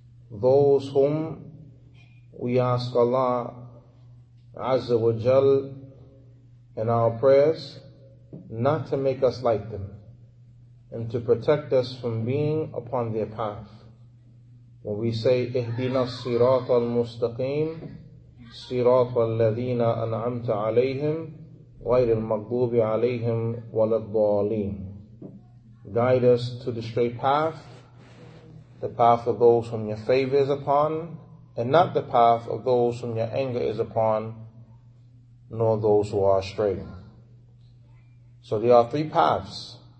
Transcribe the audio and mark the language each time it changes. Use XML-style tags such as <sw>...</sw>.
<en>those whom we ask Allah Azza wa Jal in our prayers not to make us like them and to protect us from being upon their path. When we say,</en> <ar>اهدنا الصراط المستقيم صراط الذين أنعمت عليهم غير المغضوب عليهم ولا الضالين.</ar> <en>Guide us to the straight path, the path of those whom your favor is upon, and not the path of those whom your anger is upon, nor those who are astray. So there are three paths.</en>